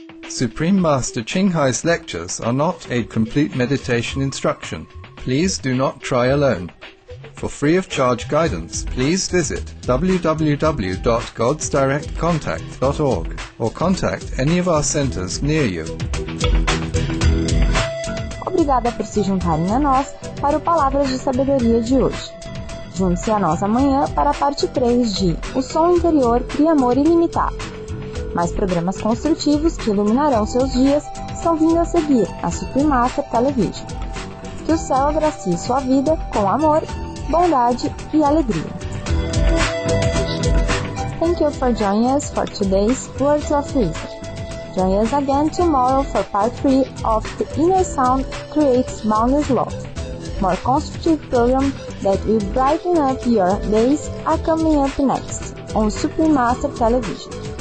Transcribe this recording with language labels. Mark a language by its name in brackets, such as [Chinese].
[English] Supreme Master Qinghai's lectures are not a complete meditation instruction. Please do not try alone. For free of charge guidance, please visit www.godsdirectcontact.org or contact any of our centers near you. [Portuguese] Obrigada por se juntarem a nós para o Palavras de Sabedoria de hoje. Junte-se a nós amanhã para a parte 3 de O Som Interior Cria Amor Ilimitado. Mais programas construtivos que iluminarão seus dias estão vindo a seguir na Supreme Master Television. Que o céu abrace sua vida com amor, bondade e alegria. [English] Thank you for joining us for today's Words of Wisdom. Join us again tomorrow for part 3 of The Inner Sound Creates Boundless Love. More constructive program that will brighten up your days are coming up next on Supreme Master Television.